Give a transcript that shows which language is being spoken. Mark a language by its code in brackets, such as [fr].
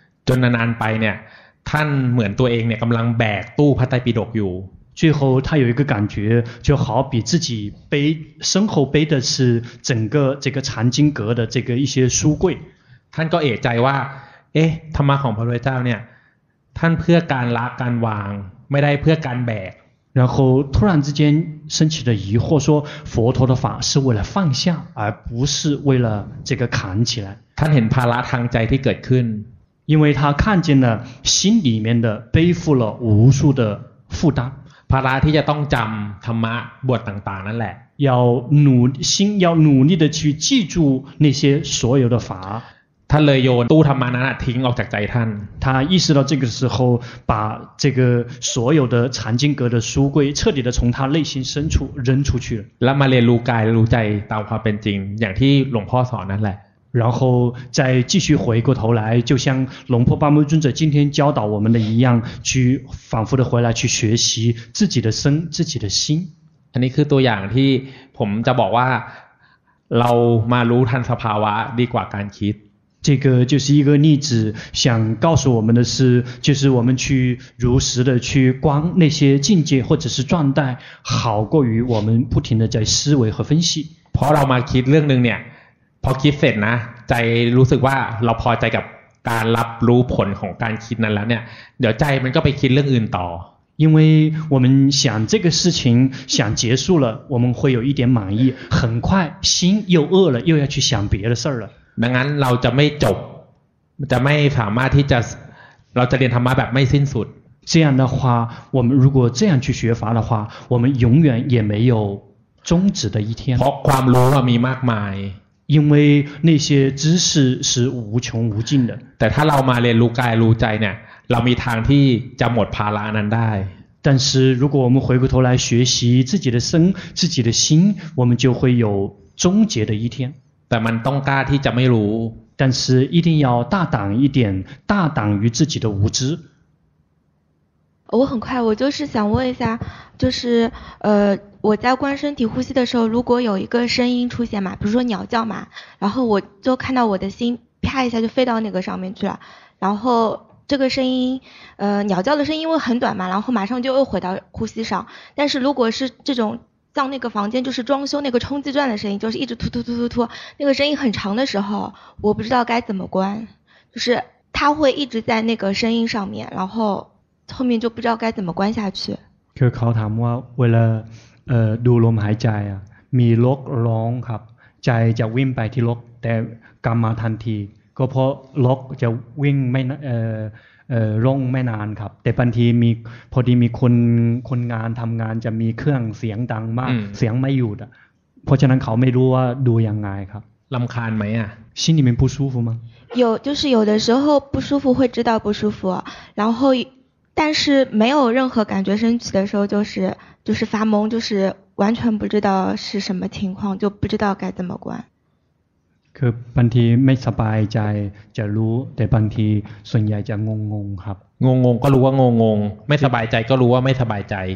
[th] จนนานไปเนี่ยท่านเหมือนตัวเองเนี่ยกำลังแบกตู้พระไตรปิฎกอยู่ [zh] 最后他有一个感觉就好比自己背身后背的是整个这个藏经阁的这个一些书柜 [th] ท่านก็เอะใจว่าเอ๊ะธรรมะของพระพุทธเจ้าเนี่ยท่านเพื่อการละการวางไม่ได้เพื่อการแบก [zh] 然后突然之间升起了疑惑说佛陀的法是为了放下而不是为了这个扛起来 [th] ท่านเห็นภาระทางใจที่เกิดขึ้น [zh] 因为他看见了心里面的背负了无数的负担 [th] พระที่จะต้องจำธรรมะบทต่างๆนั่นแหละ [zh] 要努心要努力的去记住那些所有的法 [th] ท่านเลยโยนตู้ธรรมะนั้นทิ้งออกจากใจท่าน [zh] 他意识到这个时候把这个所有的藏经阁的书柜彻底的从他内心深处扔出去 [th] แล้วมาเรียนรู้กายรู้ใจตามความเป็นจริงอย่างที่หลวงพ่อสอนนั่นแหละ [zh] 然后再继续回过头来，就像龙婆巴木尊者今天教导我们的一样，去反复的回来去学习自己的身、自己的心。 [th] อันนี้คือตัวอย่างที่ผมจะบอกว่าเรามารู้ทันสภาวะดีกว่าการคิด。 [zh] 这个就是一个例子，想告诉我们的是，就是我们去如实的去观那些境界或者是状态，好过于我们不停的在思维和分析。 [th] เพราะเรามาคิดเรื่องนึงเนี่ยพอคิดเสร็จนะใจรู้สึกว่าเราพอใจกับการรับรู้ผลของการคิดนั้นแล้วเนี่ยเดี๋ยวใจมันก็ไปคิดเรื่องอื่นต่อ [zh] 因为我们想这个事情想结束了我们会有一点满意很快心又饿了又要去想别的事儿了 [th] ดังนั้นเราจะไม่จบจะไม่สามารถที่จะเราจะเรียนธรรมะแบบไม่สิ้นสุด [zh] 这样的话我们如果这样去学法的话我们永远也没有终止的一天 [th] เพราะความรู้ว่ามีมากมาย [zh] 因为那些知识是无穷无尽的 [th] แต่ถ้าเรามาเรียนรู้กายรู้ใจเนี่ยเรามีทางที่จะหมดภาระนั้นได้ [zh] 但是如果我们回过头来学习自己的身自己的心我们就会有终结的一天 [th] แต่มันต้องกล้าที่จะไม่รู้ [zh] 但是一定要大胆一点大胆于自己的无知我很快我就是想问一下就是我在观身体呼吸的时候如果有一个声音出现嘛比如说鸟叫嘛然后我就看到我的心啪一下就飞到那个上面去了然后这个声音鸟叫的声音会很短嘛然后马上就又回到呼吸上但是如果是这种像那个房间就是装修那个冲击钻的声音就是一直突突突突突那个声音很长的时候我不知道该怎么关就是它会一直在那个声音上面然后后面就不知道该怎么关下去 [th] คือเขาถามว่าเวลาดูลมหายใจอ่ะมีลกร้องครับใจจะวิ่งไปที่ลกแต่กลับมาทันทีก็เพราะลกจะวิ่งไม่ร้องไม่นานครับแต่บางทีมีพอดีมีคนงานทำงานจะมีเครื่องเสียงดังมากเสียงไม่หยุดอ่ะเพราะฉะนั้นเขาไม่รู้ว่าดูยังไงครับ รำคาญไหมอ่ะ [zh] 心里面不舒服吗有就是有的时候不舒服会知道不舒服然后但是没有任何感觉升起的时候就是发懵就是完全不知道是什么情况就不知道该怎么关 [th] คือบางทีไม่สบายใจจะรู้แต่บางทีส่วนใหญ่จะงงๆครับ งงๆก็รู้ว่างงๆไม่สบายใจก็รู้ว่าไม่สบายใจ